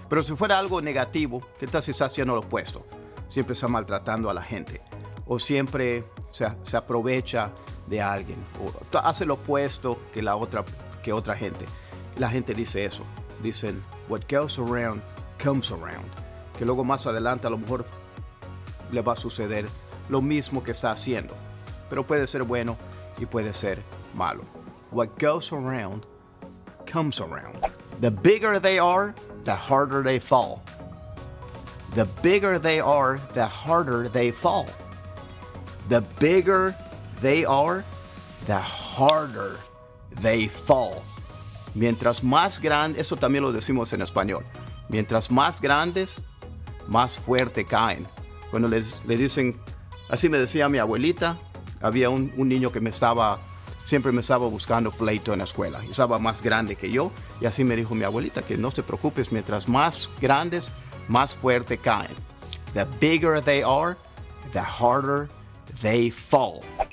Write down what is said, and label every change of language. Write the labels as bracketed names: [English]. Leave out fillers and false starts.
[Spanish] Pero si fuera algo negativo, ¿qué tal si está haciendo lo opuesto? Siempre está maltratando a la gente o siempre se aprovecha de alguien o hace lo opuesto que la otra persona. Que otra gente. La gente dice eso. Dicen, [English] what goes around comes around. [Spanish] Que luego más adelante a lo mejor le va a suceder lo mismo que está haciendo. Pero puede ser bueno y puede ser malo. [English] What goes around comes around. The bigger they are, the harder they fall. The bigger they are, the harder they fall. The bigger they are, the harder they fall. [Spanish] Mientras más grande, eso también lo decimos en español. Mientras más grandes, más fuerte caen. Cuando les dicen, así me decía mi abuelita, había un niño que siempre me estaba buscando pleito en la escuela. Estaba más grande que yo. Y así me dijo mi abuelita, que no te preocupes, mientras más grandes, más fuerte caen. [English] The bigger they are, the harder they fall.